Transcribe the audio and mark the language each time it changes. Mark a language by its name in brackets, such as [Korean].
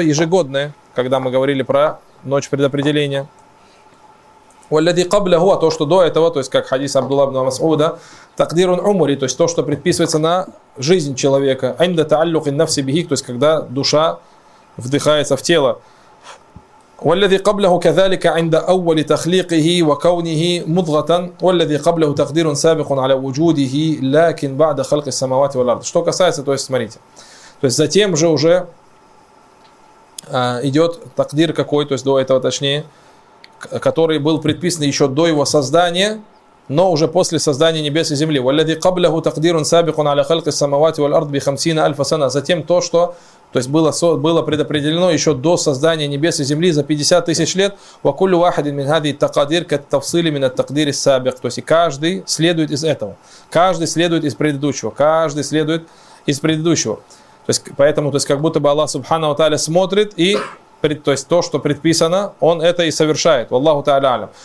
[Russian] Ежегодное, когда мы говорили про ночь предопределения. [Arabic] «Валлязи каблягу», [Russian] а то, что до этого, то есть как хадис Абдулла ибн Мас'уда, [Arabic] «такдирун умури», [Russian] то есть то, что предписывается на жизнь человека. [Arabic] «Анда тааллюх иннафси бихик», [Russian] то есть когда душа вдыхается в тело. [Arabic] والذي قبله كذلك عند أول تخليقه وكونه مضغة والذي قبله تقدير سابق على وجوده لكن بعد خلق السماوات والأرض. [Russian] Что касается, то есть смотрите, то есть затем же уже идет такдир какой, то есть до этого точнее, который был предписан еще до его создания, но уже после создания небес и земли. [Arabic] والذي قبله تقدير سابق على خلق السماوات والأرض بخمسين ألف سنة. [Russian] Затем то, что то есть было предопределено еще до создания небес и земли за 50 тысяч лет. [Arabic] وَكُلُّ وَاحَدٍ مِنْ هَذِي التَّقَدِيرِ كَتَّفْصِلِ مِنَ التَّقْدِيرِ السَّابِقِ. [Russian] То есть каждый следует из этого. Каждый следует из предыдущего. Каждый следует из предыдущего. То есть поэтому, то есть как будто бы Аллах Субхана ва Тааля смотрит и то есть то, что предписано, он это и совершает. Аллаху Тааля алям.